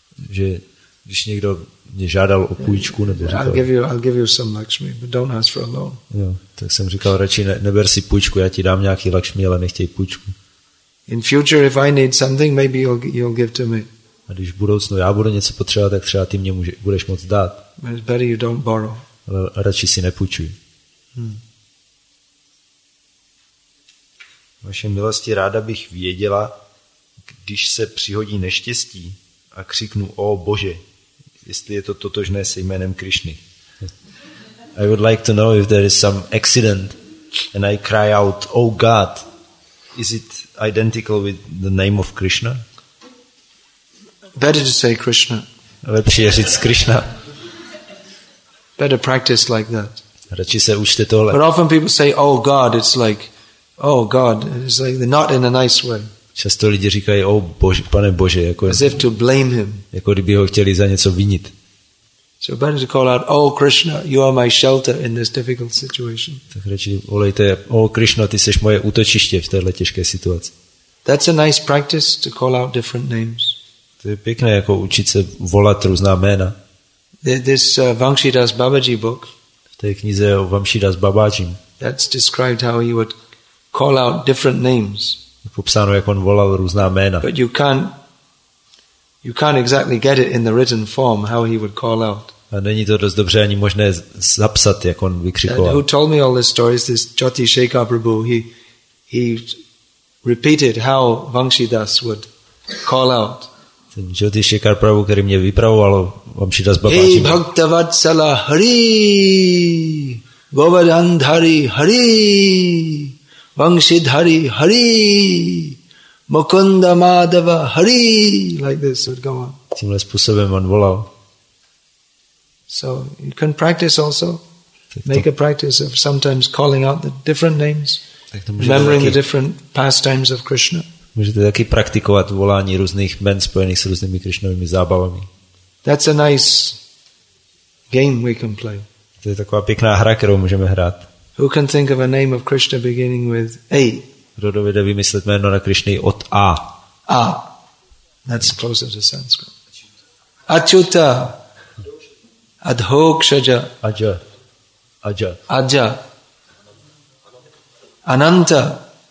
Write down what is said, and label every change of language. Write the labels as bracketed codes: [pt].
[cs] Že když někdo mě žádal o půjčku, nebo říkal... [en] I'll give you some Lakshmi, but don't ask for a loan. [cs] Jo, tak jsem říkal, radši neber si půjčku, já ti dám nějaký Lakshmi, ale nechtěj půjčku. [en] In future, if I need something, maybe you'll give to me. [cs] A když v budoucnu já budu něco potřebovat, tak třeba ty mě budeš moc dát. [en] But it's better you don't borrow. [cs] Ale radši si nepůjčuj. Vaše milosti, ráda bych věděla, když se přihodí neštěstí a křiknu, o Bože, jestli je to totožné se jménem Krišny. [en] I would like to know if there is some accident and I cry out, oh God, is it identical with the name of Krishna? Better to say Krishna. [cs] Lepší je říct Krishna. [en] Better practice like that. [cs] Radši se učte tohle. [en] But often people say, oh God, it's like, oh God, it's like they're not in a nice way. [cs] Často lidi říkají, o Bože, pane Bože, jako, [en] as if to blame him. [cs] Jako kdyby ho chtěli za něco vinit. [en] So better to call out, oh Krishna, you are my shelter in this difficult situation. [cs] Tak řeči, volejte, o Krishna, ty jsi moje útočiště v této těžké situaci. [en] That's a nice practice to call out different names. [cs] To je pěkné, jako učit se volat různá jména. [en] This Vamsidas Babaji book. [cs] V té knize o Vamsidas Babaji. [en] That's described how he would call out different names. [cs] Popsáno, jak on volal různá jména. [en] But you can't exactly get it in the written form how he would call out. [cs] A není to dost dobře ani možné zapsat, jak on vykřikoval. [en] And who told me all this story is this Jyoti Shekhar Prabhu. He repeated how Vamsidas would call out. [cs] Ten Jyoti Shekhar Prabhu, který mě vypravoval, Vamsidas Babaji. [sa] Hey, Bhaktavatsala Hari, Govardhanadhari Hari. Vamsidhari Hari, Mukunda Madhava Hari, [en] like this would go on. [cs] Tímhle způsobem on volal. [en] So you can practice also, make a practice of sometimes calling out the different names, remembering the different pastimes of Krishna. [cs] Můžete taky praktikovat volání různých jmen spojených s různými Krishnovými zábavami. [en] That's a nice game we can play. [cs] To je taková pěkná hra, kterou můžeme hrát. [en] Who can think of a name of Krishna beginning with A? [cs] Kdo dovede vymyslet jméno na Krišny od A? [en] A. That's closer to Sanskrit. Achyuta. [sa] Adhokshaja. Aja. Aja. Aja. Ananta.